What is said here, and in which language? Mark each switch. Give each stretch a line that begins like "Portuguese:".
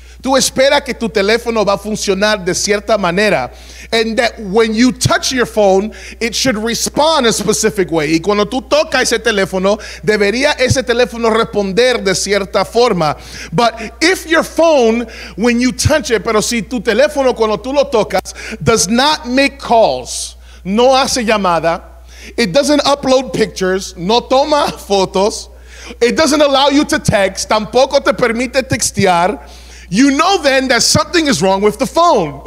Spanish: Tú esperas que tu teléfono va a funcionar de cierta manera.
English: And that when you touch your phone, it should respond a specific way.
Spanish: Y cuando tú tocas ese teléfono, debería ese teléfono responder de cierta forma.
English: But if your phone, when you touch it,
Spanish: pero si tu teléfono cuando tú lo tocas,
English: does not make calls,
Spanish: no hace llamada,
English: it doesn't upload pictures,
Spanish: no toma fotos,
English: it doesn't allow you to text,
Spanish: tampoco te permite textear,
English: you know then that something is wrong with the phone.